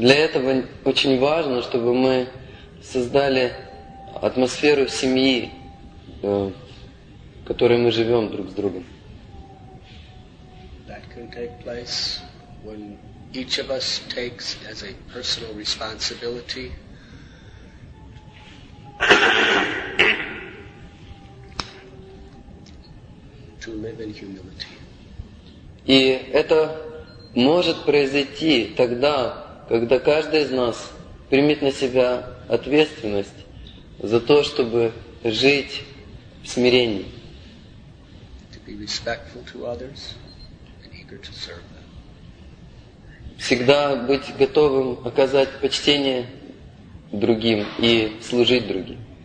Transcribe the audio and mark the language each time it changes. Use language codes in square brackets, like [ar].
[ru] Для этого очень важно, чтобы мы создали атмосферу семьи, в которой мы живем друг с другом. [en] That can take place when each of us takes as a personal responsibility to live in humility. [ru] И это может произойти тогда, когда каждый из нас примет на себя ответственность за то, чтобы жить в смирении. [en] To be respectful to others and eager to serve them. [ru] Всегда быть готовым оказать почтение другим и служить другим.